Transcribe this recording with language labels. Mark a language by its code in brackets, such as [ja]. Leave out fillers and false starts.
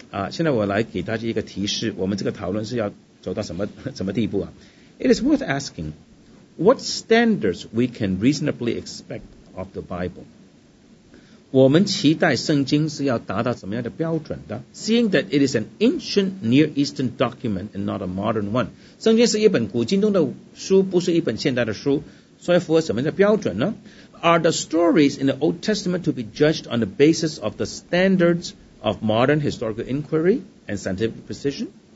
[zh] 现在我来给大家一个提示，我们这个讨论是要走到什么地步啊？ [en] It is worth asking what standards we can reasonably expect of the Bible. [zh] 我们期待圣经是要达到什么样的标准的？ [en] Seeing that it is an ancient Near Eastern document and not a modern one. [zh] 圣经是一本古近东的书，不是一本现代的书， 所以符合什么样的标准呢？ [en] Are the stories in the Old Testament to be judged on the basis of the standards of modern historical inquiry and scientific precision?